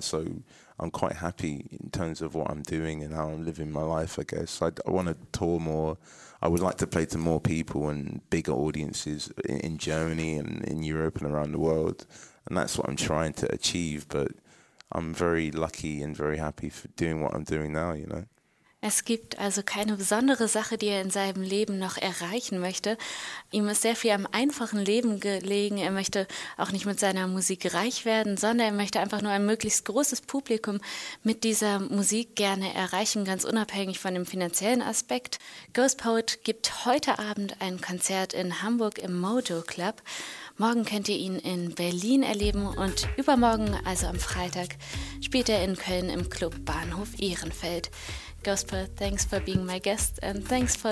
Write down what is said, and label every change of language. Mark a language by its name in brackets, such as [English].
[English] So I'm quite happy in terms of what I'm doing and how I'm living my life, I guess. I want to tour more. I would like to play to more people and bigger audiences in Germany and in Europe and around the world. And that's what I'm trying to achieve. But I'm very lucky and very happy for doing what I'm doing now, you know. [German] Es gibt also keine besondere Sache, die er in seinem Leben noch erreichen möchte. Ihm ist sehr viel am einfachen Leben gelegen. Er möchte auch nicht mit seiner Musik reich werden, sondern er möchte einfach nur ein möglichst großes Publikum mit dieser Musik gerne erreichen, ganz unabhängig von dem finanziellen Aspekt. Ghost Poet gibt heute Abend ein Konzert in Hamburg im Mojo Club. Morgen könnt ihr ihn in Berlin erleben und übermorgen, also am Freitag, spielt er in Köln im Club Bahnhof Ehrenfeld. [English] Gospel, thanks for being my guest and thanks for